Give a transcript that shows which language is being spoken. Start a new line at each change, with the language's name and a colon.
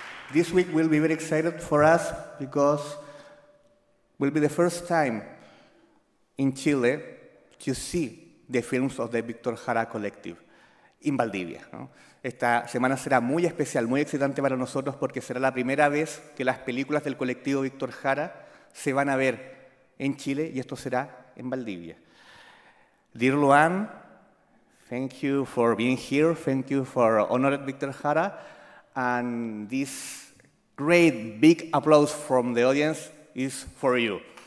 English: This week will be very excited for us because will be the first time in Chile to see the films of the Víctor Jara Collective in Valdivia.
Spanish: ¿No? Esta semana será muy especial, muy excitante para nosotros porque será la primera vez que las películas del colectivo Víctor Jara se van a ver en Chile y esto será en Valdivia.
English: Dear Luan, thank you for being here. Thank you for honoring Víctor Jara and this great big applause from the audience is for you.